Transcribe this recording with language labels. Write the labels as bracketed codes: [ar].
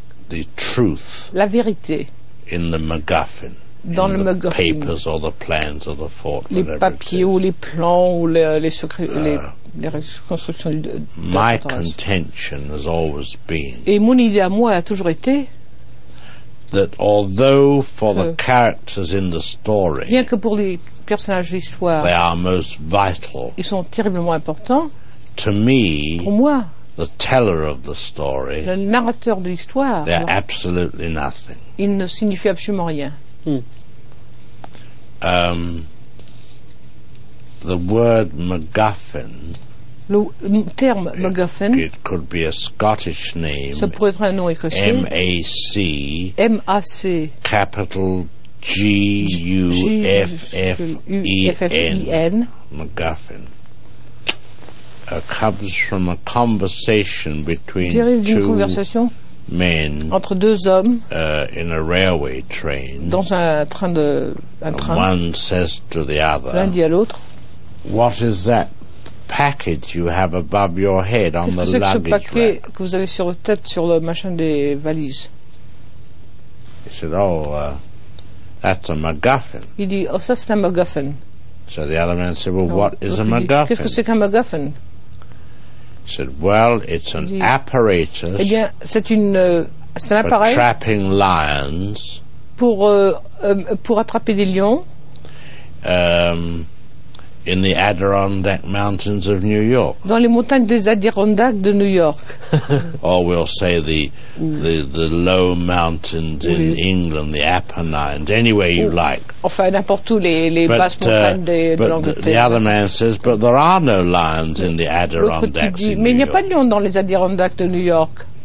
[en] the truth [fr] la vérité [en] in the MacGuffin [fr] dans [en] in the MacGuffin. Papers or the plans of the fort [fr] les papiers ou les plans ou les secrets les reconstructions de [en] my contention has always been [fr] et mon idée à moi a toujours été [en] that although for the characters in the story [fr] bien que pour les personnages de l'histoire [en] they are most vital [fr] ils sont terriblement importants. [en] To me, [fr] pour moi, [en] the teller of the story, [fr] le narrateur de l'histoire, [en] they're alors, absolutely nothing. [fr] Il ne signifie absolument rien. [en] The word MacGuffin, [fr] Le terme MacGuffin, [en] it could be a Scottish name, [fr] ça pourrait être un nom écossais. [en] M-A-C, [fr] M-A-C, [en] capital G-U-F-F-E-N, MacGuffin. Comes from a conversation between two men [fr] entre deux hommes, [en] in a railway train. [fr] Dans un train de, un train. [en] One says to the other, [fr] l'un dit à l'autre, [en] what is that package you have above your head on the luggage rack? [fr] Qu'est-ce que c'est que ce paquet que vous avez sur la tête sur le machin des valises? [en] He said, oh, that's a MacGuffin. [fr] Il dit, oh, ça c'est un MacGuffin. [en] So the other man said, well, what is a MacGuffin? [fr] Qu'est-ce que c'est qu'un MacGuffin? [en] He said, well, it's an apparatus, [fr] eh bien, c'est une, c'est un appareil [en] for trapping lions, [fr] pour attraper des lions, [en] in the Adirondack Mountains of New York. [fr] Dans les montagnes des Adirondacks de New York. [en] Or we'll say the low mountains in England, the Apennines, any way you like. [fr] Enfin, n'importe où, les basses montagnes de l'Angleterre. [en] But the other man says, but there are no lions in the Adirondacks in New York. [fr] Mais il n'y a pas de lions dans les Adirondacks de New York.